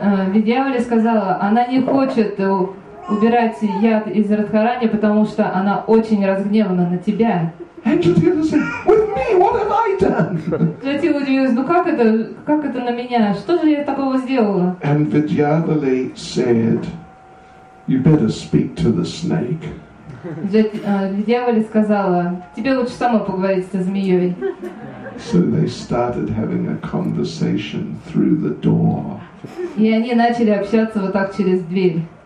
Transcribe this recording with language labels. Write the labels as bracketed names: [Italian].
[Russian] Vidyavali сказала: она не хочет убирать яд из Радхарани, потому что она очень разгневана на тебя. [English] And Judita said, with me, what have I done? [Russian] Затем удивилась: ну как это на меня? Что же я такого сделала? [English] And Vidyavali said, you better speak to the snake. [Russian] Vidyavali сказала: тебе лучше сама поговорить со змеей. [English] So they started having a conversation through the door. [Russian] И они начали общаться вот так через дверь.